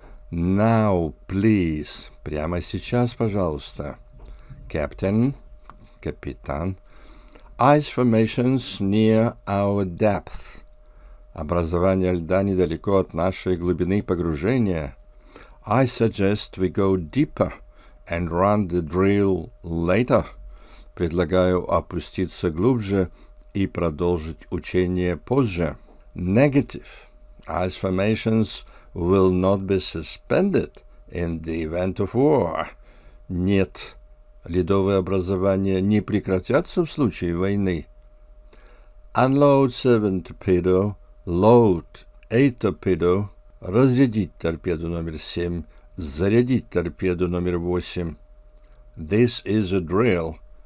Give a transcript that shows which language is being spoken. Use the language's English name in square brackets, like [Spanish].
[English] Now, please. [Russian] Прямо сейчас, пожалуйста. [English] Captain. Капитан. Ice formations near our depth. [Russian] Образование льда недалеко от нашей глубины погружения. [English] I suggest we go deeper and run the drill later. [Russian] Предлагаю опуститься глубже и продолжить учение позже. [English] Negative. Ice formations will not be suspended in the event of war. [Russian] Нет. Ледовые образования не прекратятся в случае войны. [English] Unload 7 torpedo. Load 8 torpedo. [Russian] Разрядить торпеду номер 7. Зарядить торпеду номер 8. [English] This is a drill.